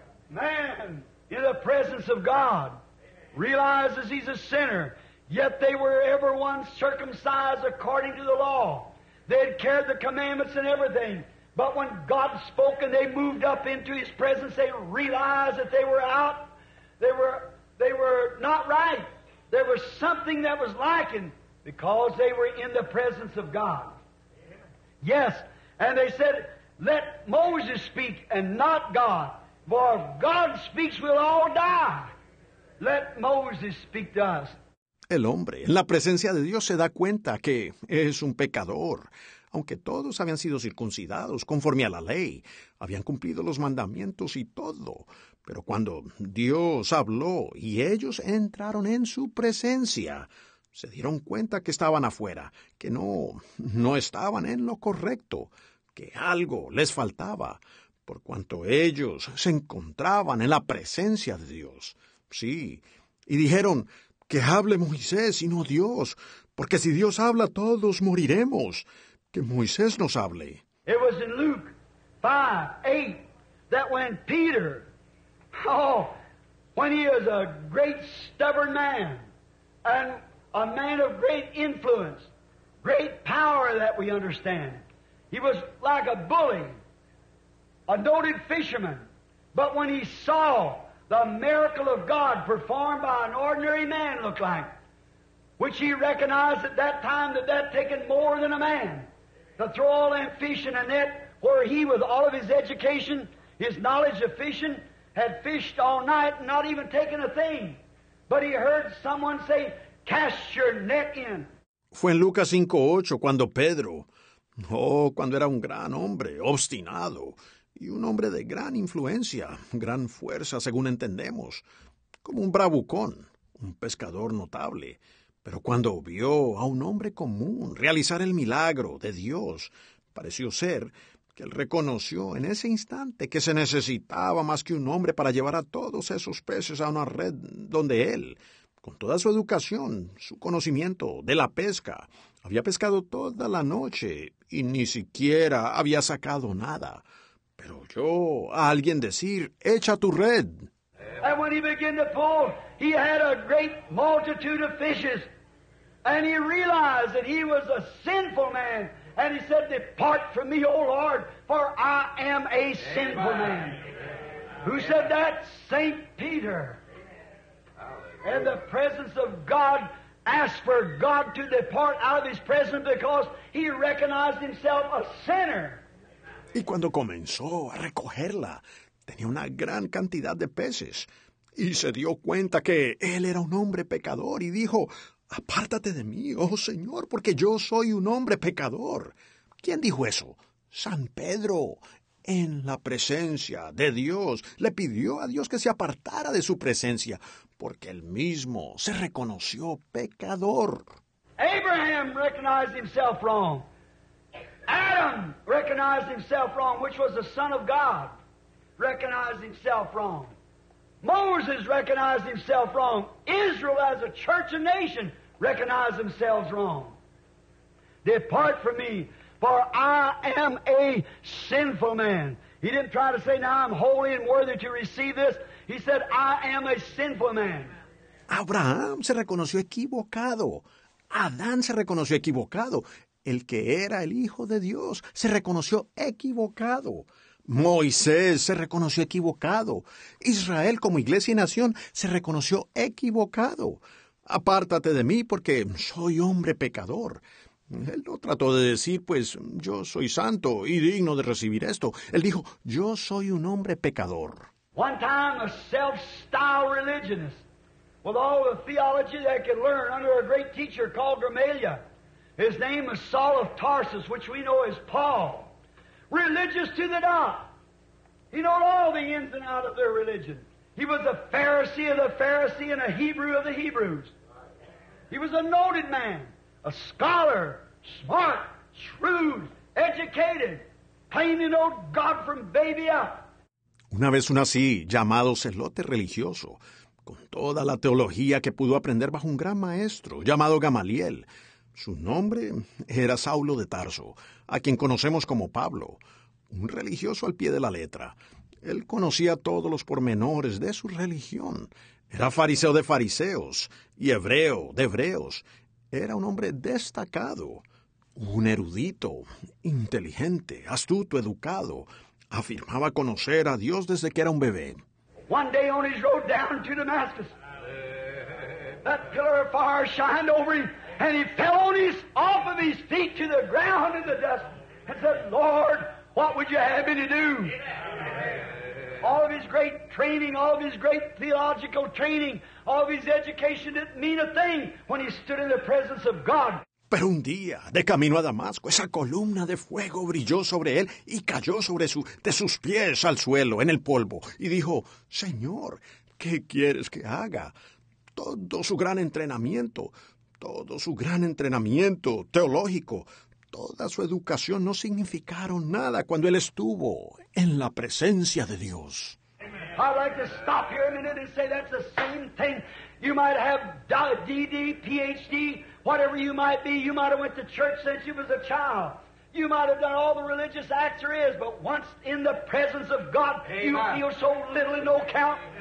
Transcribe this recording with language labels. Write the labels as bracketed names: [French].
[English] Man, in the presence of God, realizes he's a sinner, yet they were everyone circumcised according to the law. They had carried the commandments and everything. But when God spoke and they moved up into his presence, they realized that they were out. They were not right. There was something that was lacking because they were in the presence of God. Yes, and they said, let Moses speak and not God. For if God speaks, we'll all die. Let Moses speak to us. [Spanish] El hombre, en la presencia de Dios, se da cuenta que es un pecador. Aunque todos habían sido circuncidados conforme a la ley, habían cumplido los mandamientos y todo. Pero cuando Dios habló y ellos entraron en su presencia, se dieron cuenta que estaban afuera, que no estaban en lo correcto, que algo les faltaba, por cuanto ellos se encontraban en la presencia de Dios. Sí, y dijeron, que hable Moisés y no Dios, porque si Dios habla, todos moriremos. Que Moisés nos hable. [English] It was in Luke 5:8 that when Peter, oh, when he is a great stubborn man and a man of great influence, great power that we understand, he was like a bully, a noted fisherman, but when he saw the miracle of God performed by an ordinary man looked like, which he recognized at that time that had taken more than a man to throw all that fish in a net, where he, with all of his education, his knowledge of fishing, had fished all night and not even taken a thing. But he heard someone say, cast your net in. [Spanish] Fue en Lucas 5:8 cuando Pedro, oh, cuando era un gran hombre, obstinado, y un hombre de gran influencia, gran fuerza, según entendemos, como un bravucón, un pescador notable. Pero cuando vio a un hombre común realizar el milagro de Dios, pareció ser que él reconoció en ese instante que se necesitaba más que un hombre para llevar a todos esos peces a una red donde él, con toda su educación, su conocimiento de la pesca, había pescado toda la noche y ni siquiera había sacado nada. Pero yo a alguien decir, echa tu red. [English] And when he began to pull, he had a great multitude of fishes. And he realized that he was a sinful man. And he said, depart from me, O Lord, for I am a sinful man. Who said that? Saint Peter. In the presence of God, asked for God to depart out of his presence because he recognized himself a sinner. [Spanish] Y cuando comenzó a recogerla, tenía una gran cantidad de peces. Y se dio cuenta que él era un hombre pecador y dijo, apártate de mí, oh Señor, porque yo soy un hombre pecador. ¿Quién dijo eso? San Pedro, en la presencia de Dios, le pidió a Dios que se apartara de su presencia, porque él mismo se reconoció pecador. [English] Abraham recognized himself wrong. Adam recognized himself wrong, which was the Son of God, recognized himself wrong. Moses recognized himself wrong. Israel as a church and nation recognized themselves wrong. Depart from me, for I am a sinful man. He didn't try to say, now I'm holy and worthy to receive this. He said, I am a sinful man. [Spanish] Abraham se reconoció equivocado. Adán se reconoció equivocado. El que era el Hijo de Dios se reconoció equivocado. Moisés se reconoció equivocado. Israel como iglesia y nación se reconoció equivocado. Apártate de mí porque soy hombre pecador. Él no trató de decir, pues, yo soy santo y digno de recibir esto. Él dijo, yo soy un hombre pecador. [English] One time a self-styled religionist with all the theology that I could learn under a great teacher called Gamaliel. His name is Saul of Tarsus, which we know as Paul. Religious to the dot. He knew all the ins and outs of their religion. He was a Pharisee of the Pharisee and a Hebrew of the Hebrews. He was a noted man, a scholar, smart, shrewd, educated, claiming to know God from baby up. [Spanish] Una vez un así, llamado celote religioso, con toda la teología que pudo aprender bajo un gran maestro, llamado Gamaliel. Su nombre era Saulo de Tarso, a quien conocemos como Pablo, un religioso al pie de la letra. Él conocía todos los pormenores de su religión. Era fariseo de fariseos y hebreo de hebreos. Era un hombre destacado, un erudito, inteligente, astuto, educado. Afirmaba conocer a Dios desde que era un bebé. [English] One day on his road down to Damascus, that pillar of fire shined over him. And he fell on his, off of his feet to the ground in the dust and said, Lord, what would you have me to do? All of his great training, all of his great theological training, all of his education didn't mean a thing when he stood in the presence of God. [Spanish] Pero un día, de camino a Damasco, esa columna de fuego brilló sobre él y cayó sobre su, de sus pies al suelo, en el polvo, y dijo, Señor, ¿qué quieres que haga? Todo su gran entrenamiento... Todo su gran entrenamiento teológico, toda su educación no significaron nada cuando él estuvo en la presencia de Dios. [English] I'd like to stop here a minute and say that's the same thing. You might have DD, PhD, whatever you might be. You might have went to church since you was a child. You might have done all the religious acts there is, but once in the presence of God, amen, you feel so little and no count.